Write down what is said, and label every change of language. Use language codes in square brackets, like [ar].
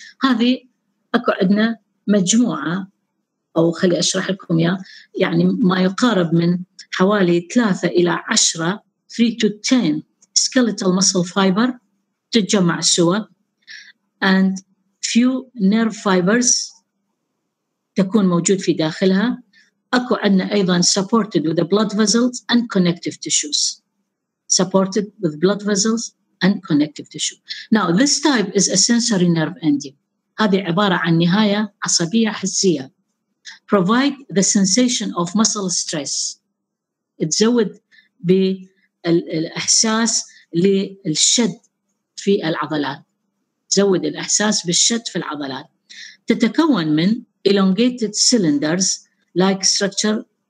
[ar] هذه أكو عندنا مجموعة، أو خلي أشرح لكم يا يعني ما يقارب من حوالي 3 إلى 10 [en] 3 to 10 skeletal muscle fiber [ar] تتجمع سوا، [en] and few nerve fibers [ar] تكون موجود في داخلها. أكو عندنا أيضا [en] supported with the blood vessels and connective tissues، supported with blood vessels and connective tissue. Now this type is a sensory nerve ending. [ar] هذه عبارة عن نهاية عصبية حسية. [en] Provide the sensation of muscle stress. [ar] تزود بالإحساس للشد في العضلات. تزود الإحساس بالشد في العضلات. تتكون من [en] elongated cylinders like structure.